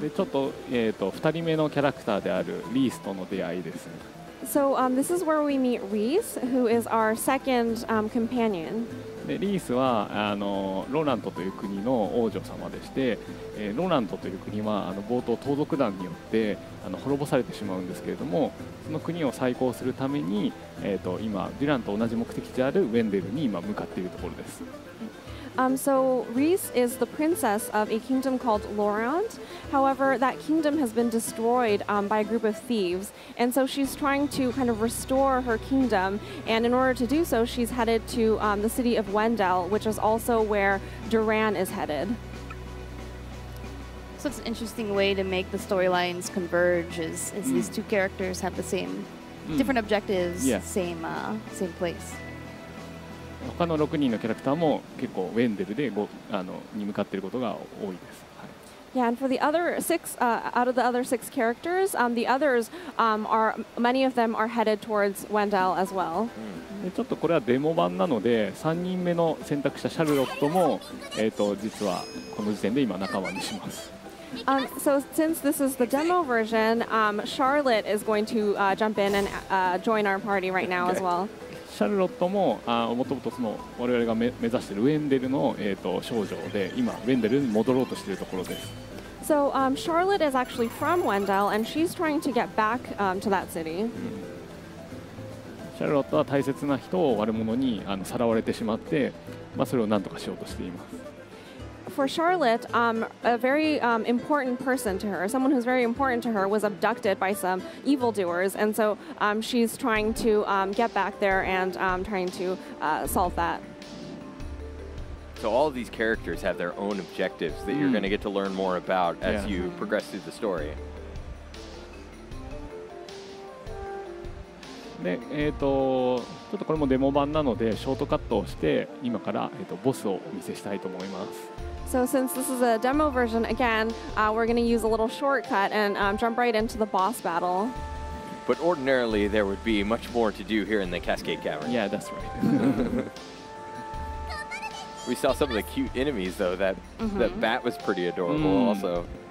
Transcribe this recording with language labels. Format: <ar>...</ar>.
<ja>で、ちょっと、2人目のキャラクターであるリースとの出会いですね。</ja> <en>So this is where we meet Reese, who is our second companion.</en> <ja>Reese はあのロラントという国の王女様でして、ロラントという国はあの冒頭盗賊団によってあの滅ぼされてしまうんですけれども、その国を再興するために、今デュランと同じ目的地であるウェンデルに今向かっているところです。</ja> <en>So Reese is the princess of a kingdom called Laurent. However, that kingdom has been destroyed by a group of thieves, and so she's trying to kind of restore her kingdom. And in order to do so, she's headed to the city of Wendell, which is also where Duran is headed. So it's an interesting way to make the storylines converge, is these two characters have the same different objectives, same place.</en> <ja>他の6人のキャラクターも結構ウェンデルでごあのに向かっていることが多いです。</ja> <en>Yeah, and for the other six, out of the other six characters, the others, are, many of them are headed towards Wendell as well.</en> <ja>ちょっとこれはデモ版なので、3人目の選択者シャルロットも、実はこの時点で今仲間にします。</ja> <en>So since this is the demo version, Charlotte is going to jump in and join our party right now as well.</en> <ja>シャルロットも、もともとその我々が目指しているウェンデルの、少女で今ウェンデルに戻ろうとしているところです。</ja> <en>So, Charlotte is actually from Wendell and she's trying to get back, to that city.</en> <ja>シャルロットは大切な人を悪者にさらわれてしまって、それを何とかしようとしています。</ja> <en>For Charlotte, a very important person to her, someone who's very important to her, was abducted by some evildoers, and so she's trying to get back there and trying to solve that. So all of these characters have their own objectives that you're going to get to learn more about as you progress through the story.</en> <ja>で、ちょっとこれもデモ版なのでショートカットをして今からボスをお見せしたいと思います。</ja> <en>So since this is a demo version again, we're going to use a little shortcut and jump right into the boss battle. But ordinarily there would be much more to do here in the Cascade Cavern. Yeah, that's right. We saw some of the cute enemies though, that, that bat was pretty adorable also.</en>